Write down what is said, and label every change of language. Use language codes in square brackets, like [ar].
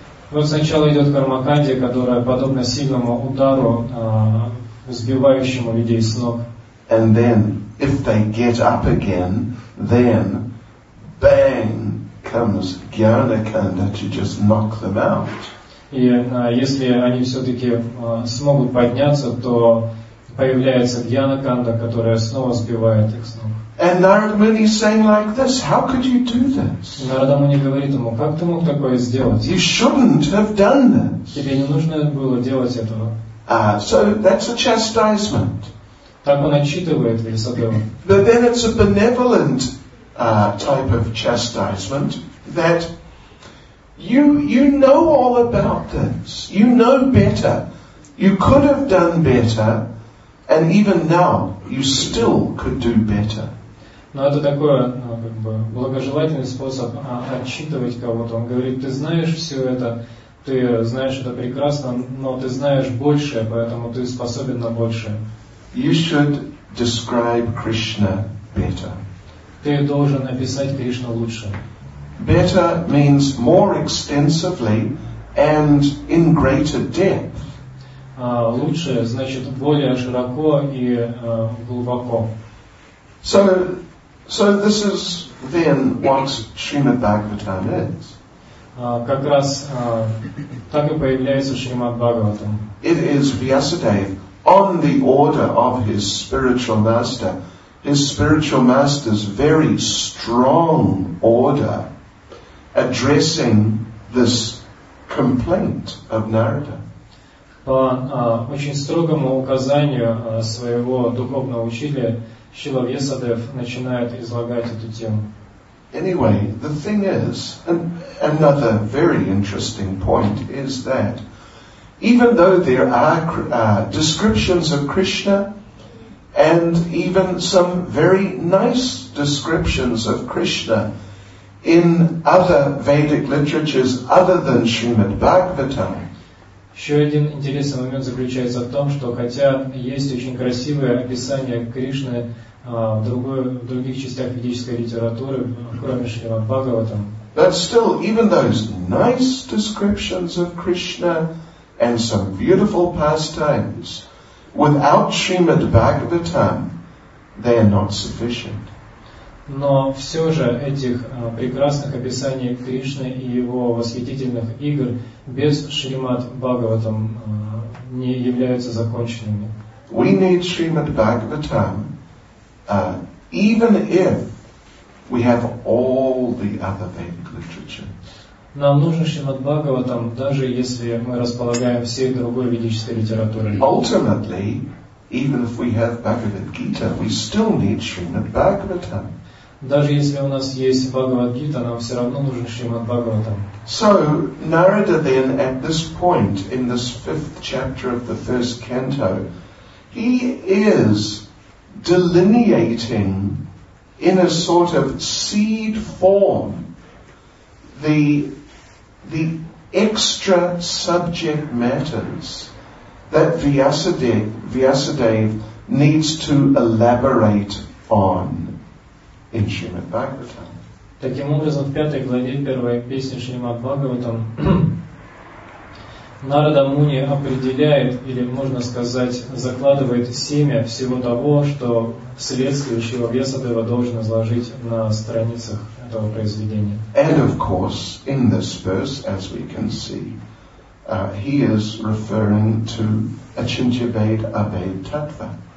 [ru] Вот сначала идет Кармакандия, которая подобна сильному удару, сбивающему людей с ног. [en] And then, if they get up again, then, bang, comes Jnanakanda to just knock them out. [ru] И если они все-таки смогут подняться, то появляется Jnanakanda, которая снова сбивает их с ног. [en] And Narada Muni is saying like this, how could you do this? [ru] Narada Muni говорит ему, как ты мог такое сделать? [en] You shouldn't have done this. [ru] Тебе не нужно было делать этого. [en] So that's a chastisement. [ru] Так он отчитывает Вьясадеву. [en] But then it's a benevolent type of chastisement that You know all about this. You know better. You could have done better, and even now you still could do better. [ru] Но это такой как бы благожелательный способ отчитывать кого-то. Он говорит, ты знаешь все это, ты знаешь это прекрасно, но ты знаешь большее, поэтому ты способен на большее. [en] You should describe Krishna better. [ru] Ты должен описать Кришну лучше. [en] Better means more extensively and in greater depth. [ru] Лучше значит более широко и глубоко. [en] So, So this is then what Srimad Bhagavatam is. [ru] Как раз так и появляется Шримад Бхагаватам. [en] It is Vyasadeva on the order of his spiritual master. His spiritual master's very strong order addressing this complaint of Narada. [ru] По очень строгому указанию своего духовного учителя Шрила Вьясадев начинает излагать эту тему. [en] Anyway, the thing is, and another very interesting point is that even though there are descriptions of Krishna and even some very nice descriptions of Krishna in other Vedic literatures other than Srimad Bhagavatam. [ru] Еще один интересный момент заключается в том, что хотя есть очень красивое описание Кришны в других частях ведической литературы, кроме Шримад Бхагаватам, [en] but still, even those nice descriptions of Krishna and some beautiful pastimes, without Srimad Bhagavatam, they are not sufficient. [ru] Но все же этих прекрасных описаний Кришны и его восхитительных игр без Шримад Бхагаватам не являются законченными. [en] We need Srimad Bhagavatam, even if we have all the other Vedic literature. [ru] Нам нужен Шримад Бхагаватам, даже если мы располагаем всей другой ведической литературой. [en] Ultimately, even if we have Bhagavad Gita, we still need Srimad Bhagavatam. [ru] Даже если у нас есть Бхагавад Гита, нам все равно нужен Шримад Бхагаватам. [en] So, Narada then, at this point, in this fifth chapter of the first canto, he is delineating in a sort of seed form the extra subject matters that Vyasadeva needs to elaborate on in Srimad Bhagavatam. [ru] Таким образом, в пятой главе первой песни Шримад Бхагаватам Нарада Муни определяет, или можно сказать, закладывает семя всего того, что вследствие Шрила Вьясадева должен изложить на страницах этого произведения. [en] And of course, in this verse, as we can see, he is referring to Achintyabheda Abheda-Tattva.